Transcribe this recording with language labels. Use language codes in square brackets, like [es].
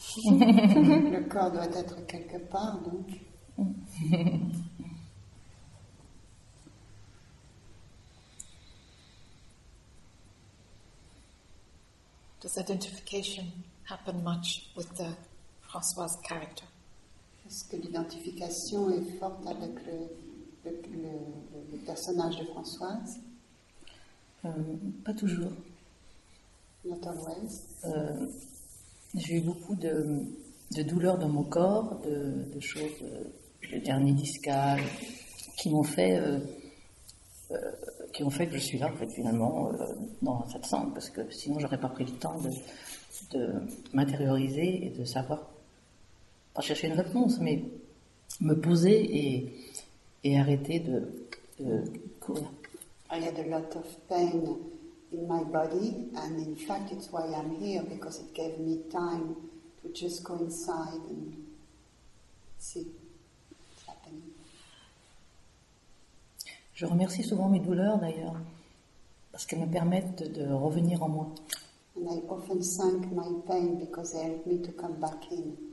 [fr] Le corps doit être quelque part, donc. [en] Does identification happen much with the François character? [fr] Est-ce que l'identification est forte avec le personnage de Françoise? Pas toujours. [en] Not always. [fr] J'ai eu beaucoup de douleurs dans mon corps, de choses, de dernier discale, qui ont fait que je suis là, en fait, finalement, dans cette salle, parce que sinon, j'aurais pas pris le temps de m'intérioriser et de savoir, pas chercher une réponse, mais me poser et arrêter de courir. [en] I had a lot of pain in my body, and in fact, it's why I'm here, because it gave me time to just go inside and see. [fr] Je remercie souvent mes douleurs, d'ailleurs, parce qu'elles me permettent de revenir en moi. [en] And I often thank my pain because they help me to come back in.